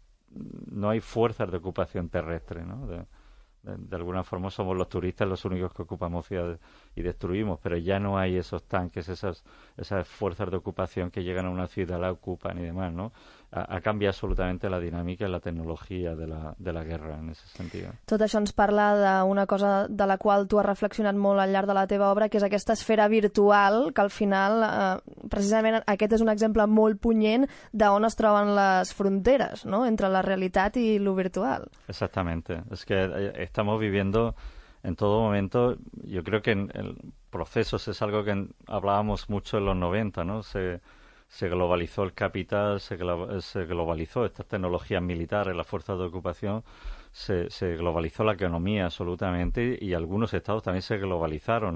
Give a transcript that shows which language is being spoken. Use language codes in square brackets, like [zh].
[es] No hay fuerzas de ocupación terrestre, ¿no? De alguna forma somos los turistas los únicos que ocupamos ciudades y destruimos, pero ya no hay esos tanques, esas fuerzas de ocupación que llegan a una ciudad, la ocupan y demás, ¿no? [ca] Ha canviat absolutament la dinàmica i la tecnologia de la guerra en aquest sentit. Tot això ens parla d'una cosa de la qual tu has reflexionat molt al llarg de la teva obra, que és aquesta esfera virtual, que al final, precisament aquest és un exemple molt punyent d'on es troben les fronteres, no?, entre la realitat i lo virtual. [es] Exactamente. Es que estamos viviendo en todo momento, yo creo que en procesos es algo que hablábamos mucho en los 90, ¿no? Se globalizó el capital, se globalizó estas tecnologías militares, las fuerzas de ocupación, se globalizó la economía absolutamente, y algunos estados también se globalizaron.